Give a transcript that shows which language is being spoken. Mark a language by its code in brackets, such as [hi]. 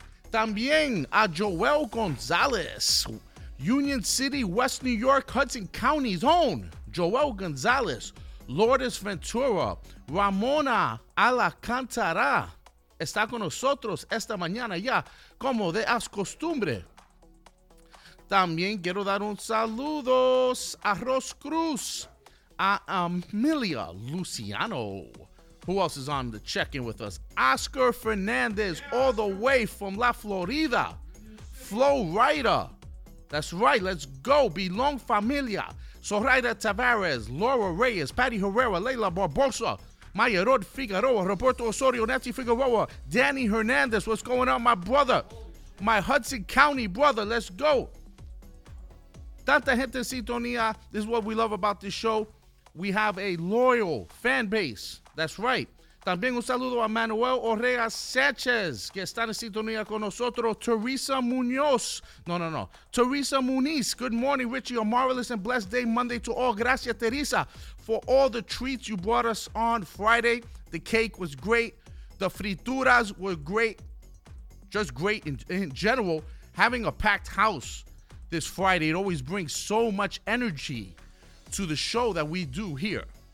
[es] También a Joel Gonzalez, Union City, West New York, Hudson County's own Joel Gonzalez, Lourdes Ventura, Ramona Alacantara. Está con nosotros esta mañana ya, como de as costumbre. También quiero dar un saludo a Ros Cruz, a Amelia Luciano. [en] Who else is on the check-in with us? Oscar Fernandez, all the way from La Florida. Flo Rida. That's right, let's go. Belong Familia. Soraya Tavares, Laura Reyes, Patty Herrera, Leila Barbosa, Maya Rod Figueroa, Roberto Osorio, Nancy Figueroa, Danny Hernandez. What's going on, my brother? My Hudson County brother, let's go. [es] Tanta gente en sintonía. [en] This is what we love about this show. We have a loyal fan base. That's right. [es] También un saludo a Manuel Orrea Sanchez, que está en sintonía con nosotros. [en] Teresa Muñoz. No. Teresa Muniz. Good morning, Richie. A marvelous and blessed day Monday to all. Gracias, Teresa, for all the treats you brought us on Friday. The cake was great. The frituras were great. Just great in general. Having a packed house this Friday, it always brings so much energy to the show that we do here.